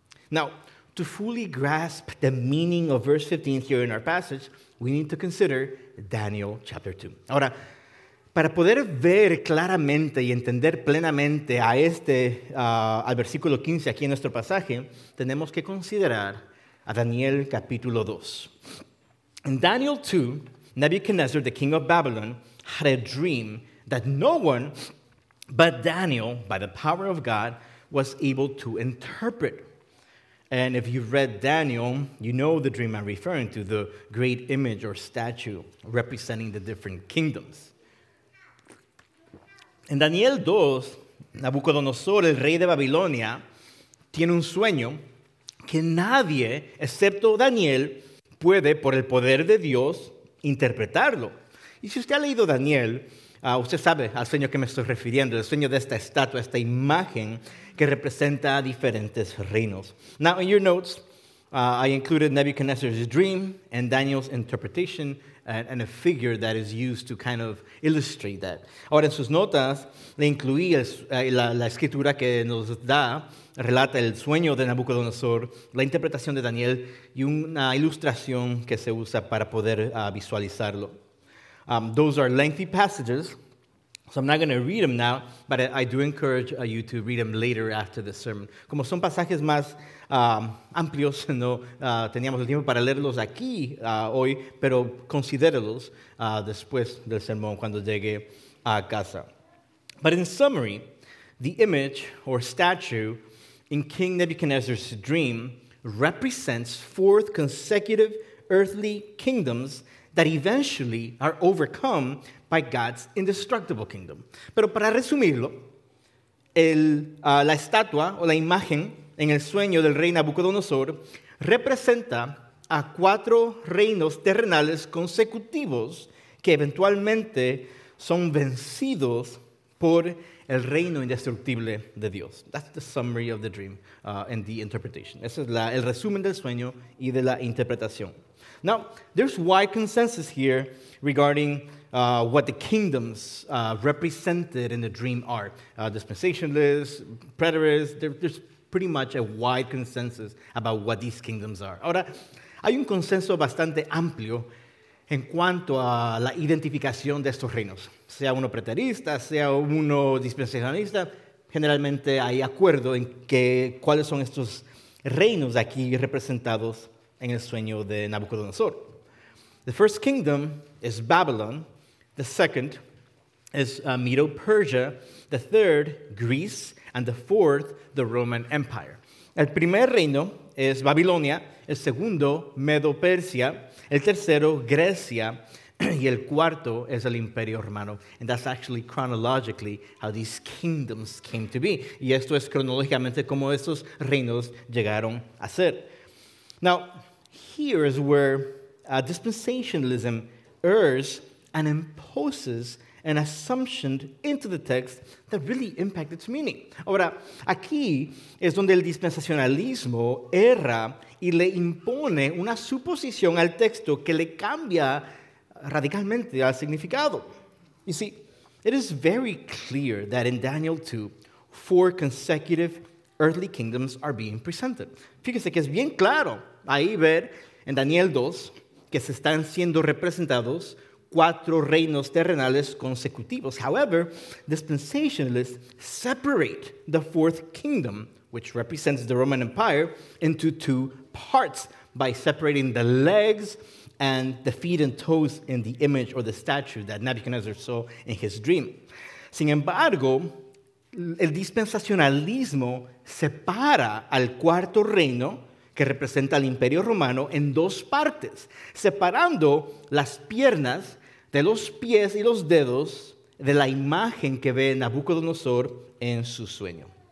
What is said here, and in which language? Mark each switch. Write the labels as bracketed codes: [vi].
[en] Now, to fully grasp the meaning of verse 15 here in our passage, we need to consider Daniel chapter 2. [es] Ahora, Para poder ver claramente y entender plenamente a este, al versículo 15 aquí en nuestro pasaje, tenemos que considerar a Daniel capítulo 2. [en] In Daniel 2, Nebuchadnezzar, the king of Babylon, had a dream that no one but Daniel, by the power of God, was able to interpret. And if you've read Daniel, you know the dream I'm referring to, the great image or statue representing the different kingdoms. In Daniel 2, [es] Nabucodonosor, el rey de Babilonia, tiene un sueño que nadie, excepto Daniel, puede, por el poder de Dios, interpretarlo. Y si usted ha leído Daniel, usted sabe al sueño que me estoy refiriendo, el sueño de esta estatua, esta imagen que representa a diferentes reinos. [en] Now, in your notes, I included Nebuchadnezzar's dream and Daniel's interpretation and a figure that is used to kind of illustrate that. [es] Ahora, en sus notas, le incluí la escritura que nos da, relata el sueño de Nabucodonosor, la interpretación de Daniel y una ilustración que se usa para poder visualizarlo. [en] Those are lengthy passages, so I'm not going to read them now, but I do encourage you to read them later after the sermon. [es] Como son pasajes más amplios, no teníamos el tiempo para leerlos aquí hoy, pero considéralos después del sermón cuando llegue a casa. [en] But in summary, the image or statue in King Nebuchadnezzar's dream represents four consecutive earthly kingdoms that eventually are overcome by God's indestructible kingdom. [es] Pero para resumirlo, la estatua o la imagen en el sueño del rey Nabucodonosor representa a cuatro reinos terrenales consecutivos que eventualmente son vencidos por el reino indestructible de Dios. [en] That's the summary of the dream and the interpretation. [es] Ese es el resumen del sueño y de la interpretación. [en] Now, there's wide consensus here regarding what the kingdoms represented in the dream are. Dispensationalists, preterists, there's pretty much a wide consensus about what these kingdoms are. [es] Ahora, hay un consenso bastante amplio en cuanto a la identificación de estos reinos. Sea uno preterista, sea uno dispensacionalista, generalmente hay acuerdo en que cuáles son estos reinos aquí representados en el sueño de Nabucodonosor. [en] The first kingdom is Babylon. The second is Medo-Persia. The third, Greece. And the fourth, the Roman Empire. [es] El primer reino es Babilonia. El segundo, Medo-Persia. El tercero, Grecia. Y el cuarto es el Imperio Romano. [en] And that's actually chronologically how these kingdoms came to be. [es] Y esto es cronológicamente cómo estos reinos llegaron a ser. [en] Now, here is where dispensationalism errs and imposes an assumption into the text that really impacts its meaning. [es] Ahora, aquí es donde el dispensacionalismo erra y le impone una suposición al texto que le cambia radicalmente al significado. [en] You see, it is very clear that in Daniel 2, four consecutive earthly kingdoms are being presented. [es] Fíjese que es bien claro ahí ver en Daniel 2 que se están siendo representados cuatro reinos terrenales consecutivos. [en] However, dispensationalists separate the fourth kingdom, which represents the Roman Empire, into two parts by separating the legs and the feet and toes in the image or the statue that Nebuchadnezzar saw in his dream. [es] Sin embargo, el dispensacionalismo separa al cuarto reino que representa al Imperio Romano en dos partes, separando las piernas de los pies y los dedos de la imagen que ve Nabucodonosor en su sueño.